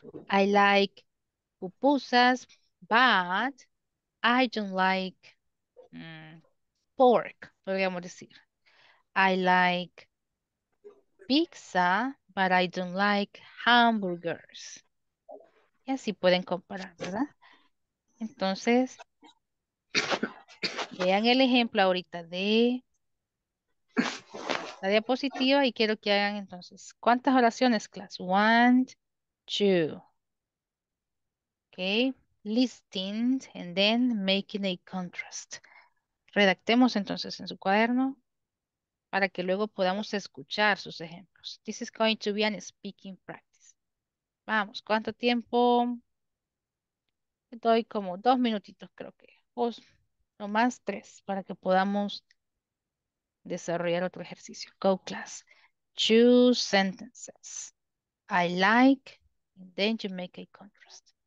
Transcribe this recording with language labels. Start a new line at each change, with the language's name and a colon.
English: I like pupusas, but I don't like pork,
Spanish: podríamos decir.
English: I like pizza, but I don't like hamburgers.
Spanish: Y así pueden comparar, ¿verdad? Entonces, vean el ejemplo ahorita de la diapositiva y quiero que hagan entonces, ¿cuántas oraciones, class?
English: One, two. Okay. Listing and then making a contrast.
Spanish: Redactemos entonces en su cuaderno para que luego podamos escuchar sus ejemplos.
English: This is going to be a speaking practice.
Spanish: Vamos, ¿cuánto tiempo? Doy como dos minutitos, creo que. O no más tres para que podamos desarrollar otro ejercicio.
English: Go class. Choose sentences. I like, and then you make a contrast.